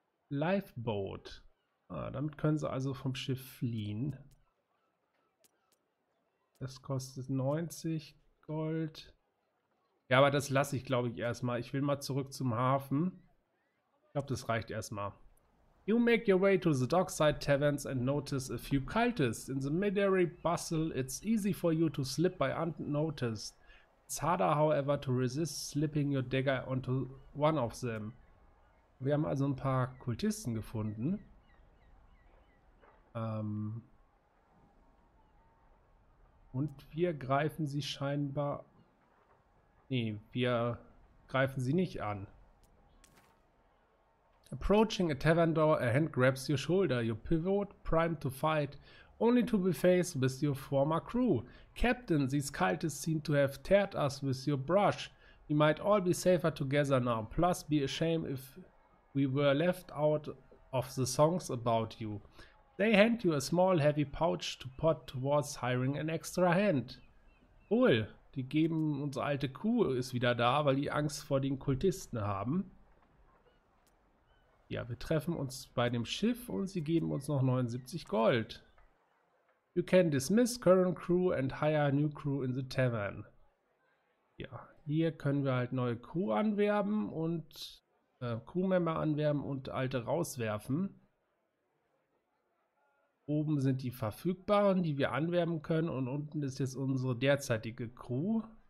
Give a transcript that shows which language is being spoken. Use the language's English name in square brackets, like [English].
[German] Lifeboat. Ah, damit können sie also vom Schiff fliehen. Das kostet 90 Gold. Ja, aber das lasse ich, glaube ich, erstmal. Ich will mal zurück zum Hafen. Ich glaube, das reicht erstmal. [English] You make your way to the dockside taverns and notice a few cultists. In the midday bustle, it's easy for you to slip by unnoticed. It's harder, however, to resist slipping your dagger onto one of them. [German] Wir haben also ein paar Kultisten gefunden. Und wir greifen sie scheinbar... Nee, wir greifen sie nicht an. [English] Approaching a tavern door, a hand grabs your shoulder. You pivot, primed to fight, only to be faced with your former crew. Captain, these cultists seem to have teared us with your brush. We might all be safer together now. Plus, be a shame if we were left out of the songs about you. They hand you a small heavy pouch to put towards hiring an extra hand. [German] Cool, die geben, unsere alte Kuh ist wieder da, weil die Angst vor den Kultisten haben. Ja, wir treffen uns bei dem Schiff und sie geben uns noch 79 Gold. [English] You can dismiss current crew and hire a new crew in the tavern. [German] Ja, hier können wir halt neue Crew anwerben und Crewmember anwerben und alte rauswerfen. Oben sind die verfügbaren, die wir anwerben können und unten ist jetzt unsere derzeitige Crew.